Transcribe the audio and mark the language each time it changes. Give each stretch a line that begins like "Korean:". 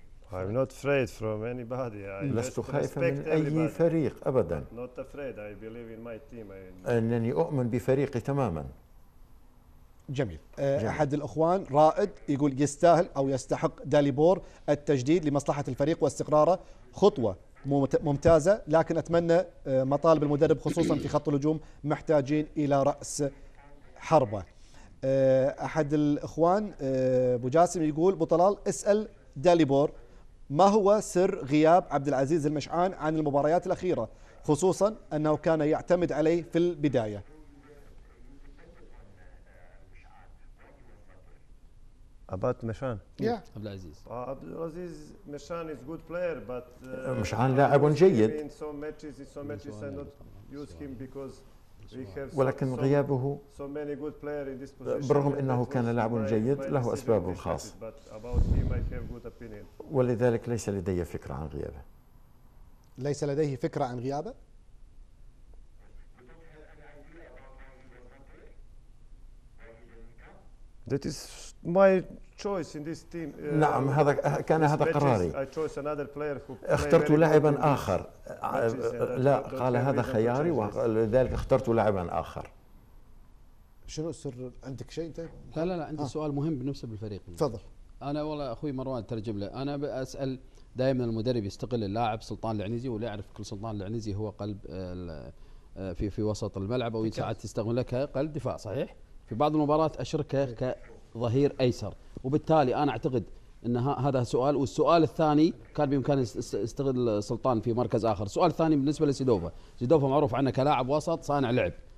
English: I'm not afraid from anybody.
Arabic: لست خائفا من أي فريق أبدا.
English: Not afraid. I believe in my team.
Arabic: أنني أؤمن بفريقي تماما. جميل. أحد الأخوان رائد يقول يستاهل أو يستحق داليبور التجديد لمصلحة الفريق واستقراره، خطوة ممتازة، لكن أتمنى مطالب المدرب خصوصا في خط الهجوم محتاجين إلى رأس حربة. أحد الأخوان أبو جاسم يقول بطلال اسأل داليبور ما هو سر غياب عبد العزيز المشعان عن المباريات الأخيرة خصوصا أنه كان يعتمد عليه في البداية؟
English: About Mashan. Yeah. Abdulaziz. Abdulaziz Mashan is good player, but.
Arabic: Mashan لاعب جيد.
English: In some matches, I not use him because we have.
Arabic: ولكن غيابه.
English: So many good players in this position.
Arabic: برغم إنه كان لاعب جيد له أسبابه الخاصة.
English: But about him, I have good opinion.
Arabic: ولذلك ليس لدي فكرة عن غيابه. ليس لديه فكرة عن غيابه.
English: That is my choice in this team.
Arabic: نعم هذا كان هذا قراري.
English: I chose another player who
Arabic: اخترت لاعبا آخر. لا قال هذا خياري ولذلك اخترت لاعبا آخر. شنو سر عندك شيء أنت؟ لا لا لا عندي سؤال مهم بالنسبة للفريق. تفضل. أنا والله أخوي مروان ترجم له. أنا بسأل دائما المدرب يستقل اللاعب سلطان العنزي ولا أعرف كل سلطان العنزي هو قلب في وسط الملعب أو ساعات يستغل كقلب دفاع صحيح؟ في بعض المباريات أشركه كظهير أيسر وبالتالي أنا أعتقد أن هذا سؤال والسؤال الثاني كان بإمكان استغل سلطان في مركز آخر السؤال الثاني بالنسبة لسيدوفا سيدوفا معروف عنه كلاعب وسط صانع لعب